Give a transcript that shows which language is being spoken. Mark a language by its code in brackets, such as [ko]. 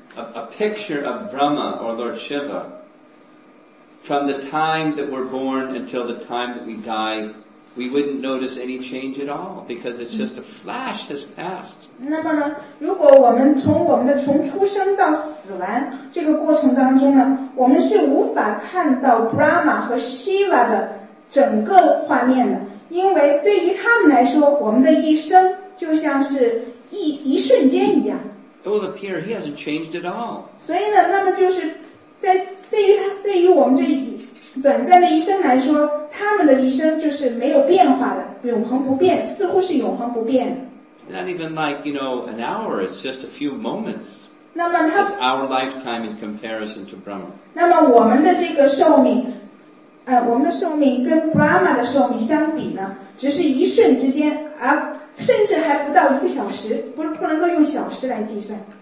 [en] a picture of Brahma or Lord Shiva from the time that we're born until the time that we die, we wouldn't notice any change at all because it's just a flash has passed. [zh] 那么呢，如果我们从我们的从出生到死亡这个过程当中呢，我们是无法看到 Brahma 和 Shiva 的整个画面的，因为对于他们来说，我们的一生就像是一瞬间一样。 [en] It will appear he hasn't changed at all. [zh] 所以呢，那么就是在对于我们这短暂的一生来说，他们的一生就是没有变化的，永恒不变，似乎是永恒不变的。 [en] Not even like you know an hour; it's just a few moments. [zh] 那么他 [en] It's our lifetime in comparison to Brahma. [zh] 那么我们的这个寿命，我们的寿命跟 Brahma 的寿命相比呢，只是一瞬之间啊，甚至还不到一个小时，不能够用小时来计算。